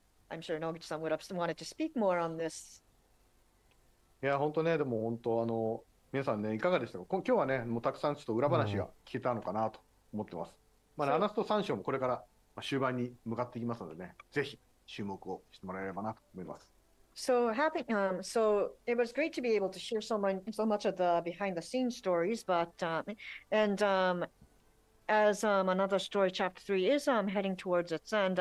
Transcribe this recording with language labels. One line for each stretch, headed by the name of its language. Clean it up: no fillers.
English: I'm sure Noguchi-san would have wanted to speak more on this.
Japanese: Yeah, 本当ね、でも本当、皆さんね、いかがでしたか？今日はね、もうたくさんちょっと裏話が聞けたのかなと思ってます。まあ、アナスト3章もこれから終盤に向かっていきますのでね、ぜひ注目をしてもらえればなと思います。
English: So happy. So it was great to be able to share so much of the behind the scenes stories. But another story, chapter 3 is heading towards its end.